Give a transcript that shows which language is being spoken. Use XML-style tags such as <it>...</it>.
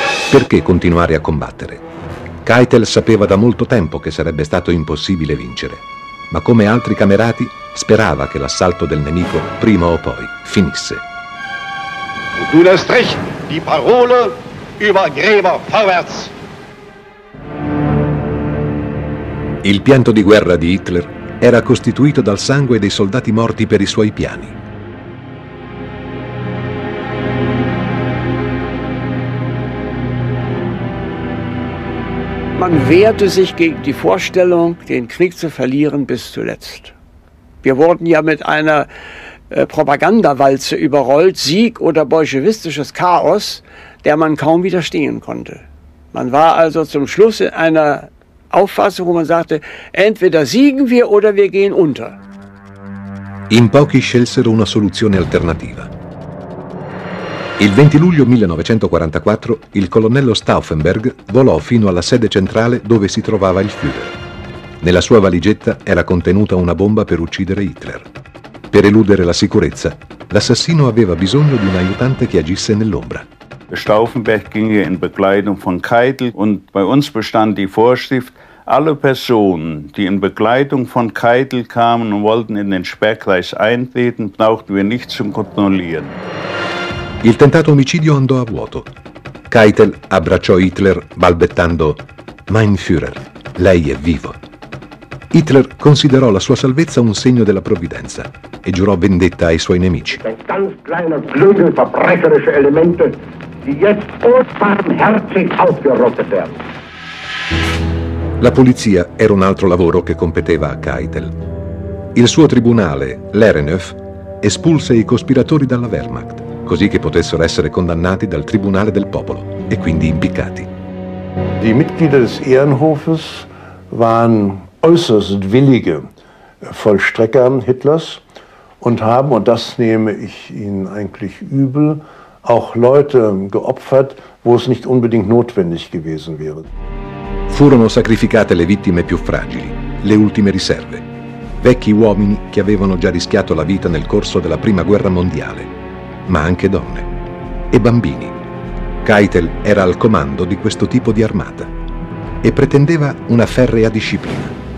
<it>Perché continuare a combattere? Keitel sapeva da molto tempo che sarebbe stato impossibile vincere, ma come altri camerati sperava che l'assalto del nemico prima o poi finisse.</it> <de>Du lässt recht, die Parole über Gräber vorwärts.</de> <it>Il pianto di guerra di Hitler era costituito dal sangue dei soldati morti per i suoi piani.</it> <de>Man wehrte sich gegen die Vorstellung, den Krieg zu verlieren bis zuletzt. Wir wurden ja mit einer Propagandawalze überrollt, Sieg oder bolschewistisches Chaos, der man kaum widerstehen konnte. Man war also zum Schluss in einer Auffassung, wo man sagte, entweder siegen wir oder wir gehen unter.</de> <it>In pochi scelsero una soluzione alternativa. Il 20 luglio 1944 il colonnello Stauffenberg volò fino alla sede centrale dove si trovava il Führer. Nella sua valigetta era contenuta una bomba per uccidere Hitler. Per eludere la sicurezza, l'assassino aveva bisogno di un aiutante che agisse nell'ombra.</it> <de>Stauffenberg ging in Begleitung von Keitel und bei uns bestand die Vorschrift, alle Personen, die in Begleitung von Keitel kamen und wollten in den Sperrkreis eintreten, brauchten wir nicht zu kontrollieren.</de> <it>Il tentato omicidio andò a vuoto. Keitel abbracciò Hitler balbettando</it> <de>«Mein Führer,</de> <it>lei è vivo». Hitler considerò la sua salvezza un segno della provvidenza e giurò vendetta ai suoi nemici. La polizia era un altro lavoro che competeva a Keitel. Il suo tribunale, l'Ehrenhof, espulse i cospiratori dalla Wehrmacht, così che potessero essere condannati dal Tribunale del Popolo e quindi impiccati.</it> <de>Die Mitglieder des Ehrenhofes waren äußerst willige Vollstrecker Hitlers und haben, und das nehme ich ihnen eigentlich übel, auch Leute geopfert, wo es nicht unbedingt notwendig gewesen wäre.</de> <it>Furono sacrificate le vittime più fragili, le ultime riserve, vecchi uomini che avevano già rischiato la vita nel corso della Prima Guerra Mondiale, ma anche donne e bambini. Keitel era al comando di questo tipo di armata e pretendeva una ferrea disciplina.</it>